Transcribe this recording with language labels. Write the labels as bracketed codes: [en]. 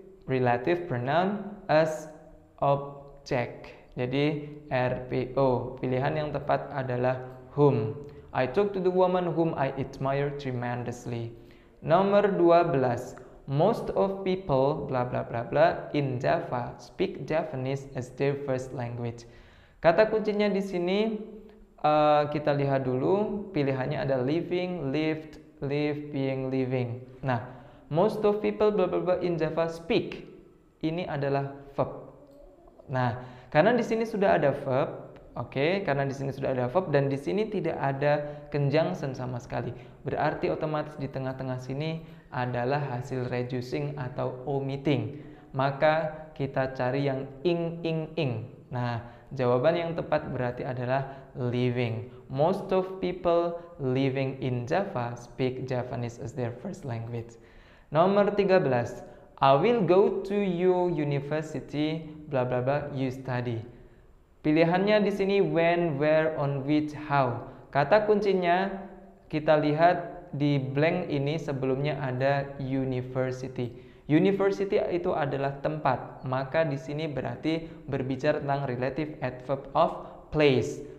[en] Relative pronoun as object. [id] Jadi RPO. Pilihan yang tepat adalah whom. [en] I talk to the woman whom I admire tremendously. [id] Nomor 12. [en] Most of people blah blah blah blah in Java speak Japanese as their first language. [id] Kata kuncinya di sini kita lihat dulu, pilihannya ada living, lived, live, being, living. [en] Nah, most of people blah blah blah in Java speak. [id] Ini adalah verb. Nah, karena di sini sudah ada verb, karena di sini sudah ada verb dan di sini tidak ada conjunction sama sekali. Berarti otomatis di tengah-tengah sini adalah hasil reducing atau omitting. Maka kita cari yang ing. Nah, jawaban yang tepat berarti adalah living. [en] Most of people living in Java speak Japanese as their first language. [id] Nomor 13. [en] I will go to your university blah blah blah you study. [id] Pilihannya di sini when, where, on which, how. Kata kuncinya kita lihat di blank ini sebelumnya ada university. University itu adalah tempat, maka di sini berarti berbicara tentang [en] relative adverb of place.